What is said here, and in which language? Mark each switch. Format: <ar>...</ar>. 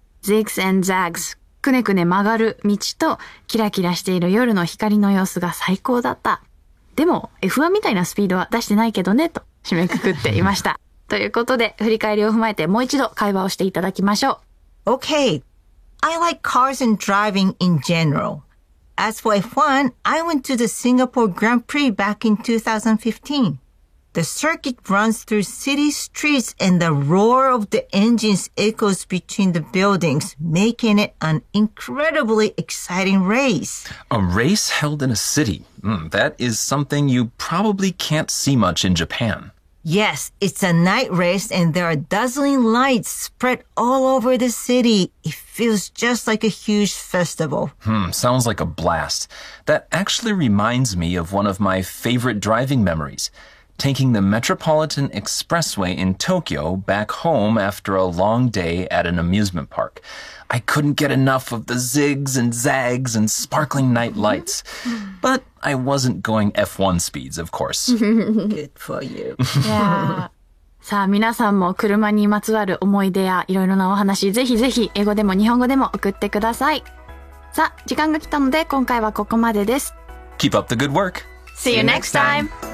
<en>Zigs and Zags、</en> <ja>くねくね曲がる道とキラキラしている夜の光の様子が最高だった。でも F1 みたいなスピードは出してないけどね、と締めくくっていましたということで、振り返りを踏まえてもう一度会話をしていただきましょう。</ja> <en>OK。 I like cars and driving in generalAs for F1, I went to the Singapore Grand Prix back in 2015. The circuit runs through city streets and the roar of the engines echoes between the buildings, making it an incredibly exciting race. A race held in a city? That is something you probably can't see much in Japan. Yes, it's a night race and there are dazzling lights spread all over the city. Feels just like a huge festival. Sounds like a blast. That actually reminds me of one of my favorite driving memories, taking the Metropolitan Expressway in Tokyo back home after a long day at an amusement park. I couldn't get enough of the zigs and zags and sparkling night lights. But I wasn't going F1 speeds, of course. Good for you. Yeah.</en> <ja>さあ、皆さんも車にまつわる思い出やいろいろなお話、ぜひぜひ英語でも日本語でも送ってください。さあ、時間が来たので今回はここまでです。</ja> <en>Keep up the good work! See you next time!</en>